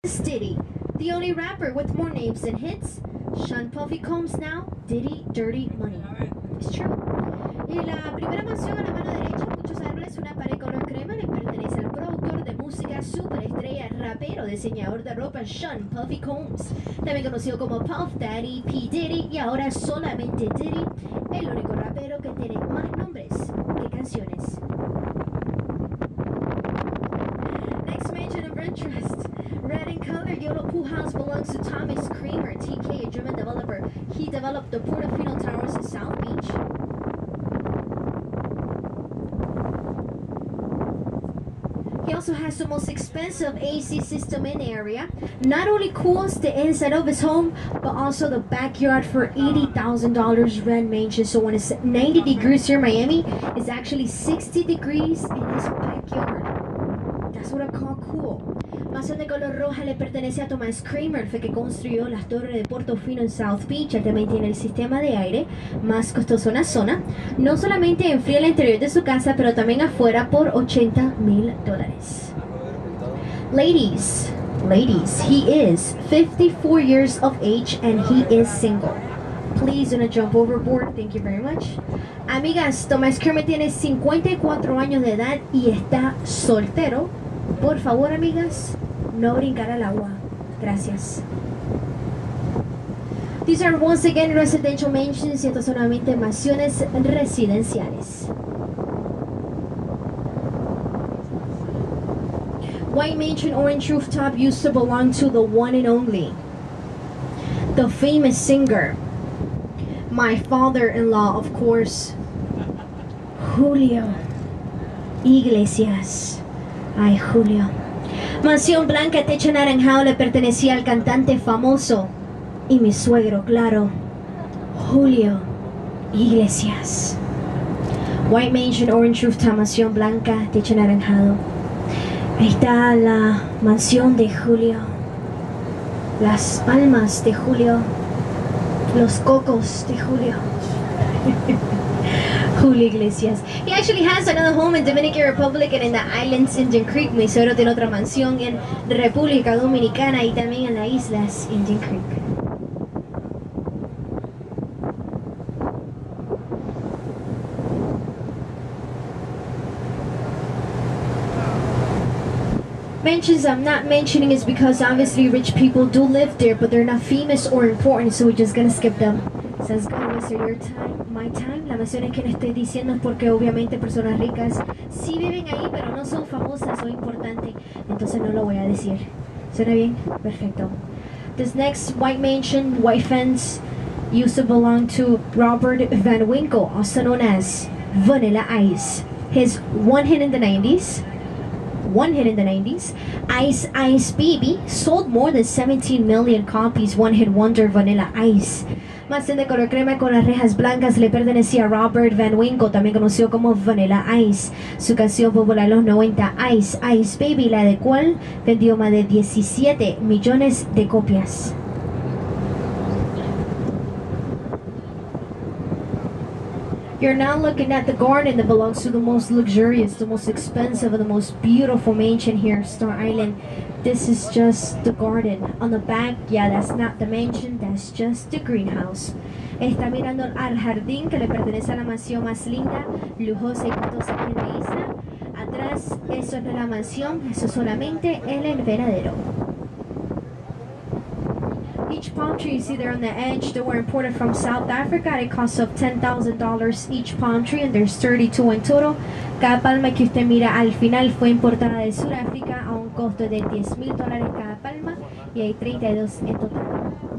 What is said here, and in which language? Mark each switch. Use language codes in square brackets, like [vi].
[en] Diddy, the only rapper with more names than hits. Sean Puffy Combs now, Diddy Dirty Money. It's true. [es] Y la primera mansión a la mano derecha, muchos árboles, una pared color crema, le pertenece al productor de música, superestrella, rapero, diseñador de ropa, Sean Puffy Combs. También conocido como Puff Daddy, P. Diddy, y ahora solamente Diddy, el único rapero que tiene más nombres que canciones. [en] Next mention of interest. Red in color, Yolo Pool House belongs to Thomas Creamer, TK, a German developer. He developed the Portofino Towers in South Beach. He also has the most expensive AC system in the area. Not only cools the inside of his home, but also the backyard for $80,000 rent mansion. So when it's 90 degrees here in Miami, it's actually 60 degrees in his backyard. That's what I call cool. [es] Mansión de color roja le pertenece a Thomas Creamer, fue que construyó las torres de Portofino en South Beach. Él también tiene el sistema de aire más costoso en la zona. No solamente enfría el interior de su casa, pero también afuera por $80,000. [en] Ladies, he is 54 years of age and he is single. Please don't jump overboard. Thank you very much. [es] Amigas, Thomas Creamer tiene 54 años de edad y está soltero. Por favor, amigas, no brincar al agua. Gracias. [en] These are once again residential mansions, [es] y estas son nuevamente mansiones residenciales. [en] White mansion, orange rooftop, used to belong to the one and only, the famous singer, my father-in-law, of course, Julio Iglesias. [es] Ay, Julio. Mansión blanca, techo anaranjado, le pertenecía al cantante famoso y mi suegro, claro, Julio Iglesias. [en] White mansion, orange rooftop, [es] mansión blanca, techo anaranjado. Ahí está la mansión de Julio. Las palmas de Julio. Los cocos de Julio. Julio Iglesias. [en] He actually has another home in Dominican Republic and in the islands Indian Creek. [es] Mi suegro tiene otra mansión en República Dominicana y también en las islas Indian Creek. [en] Mansions I'm not mentioning is because obviously rich people do live there, but they're not famous or important, so we're just gonna skip them. Says God, is it your time? My time? [es] La mansión es que no estoy diciendo es porque obviamente personas ricas sí viven ahí, pero no son famosas o importantes. Entonces no lo voy a decir. ¿Suena bien? Perfecto. [en] This next white mansion, white fence, used to belong to Robert Van Winkle, also known as Vanilla Ice. His one hit in the 90s. Ice Baby sold more than 17 million copies. One hit wonder, Vanilla Ice. [es] Mansión de color crema con las rejas blancas le pertenecía a Robert Van Winkle, también conocido como Vanilla Ice. Su canción popular en los 90, Ice Baby, la de cual vendió más de 17 millones de copias. [en] You're now looking at the garden that belongs to the most luxurious, the most expensive, and the most beautiful mansion here, Star Island. This is just the garden. On the back, yeah, that's not the mansion, that's just the greenhouse. [es] Está mirando al jardín que le pertenece a la mansión más linda, lujosa y costosa aquí en la isla. Atrás, eso no es la mansión, eso solamente es el veradero. [en] Each palm tree you see there on the edge, they were imported from South Africa at a cost of $10,000 each palm tree, and there's 32 in total. [es] Cada palma que usted mira al final fue importada de Sudáfrica a un costo de $10,000 cada palma, y hay 32 en total.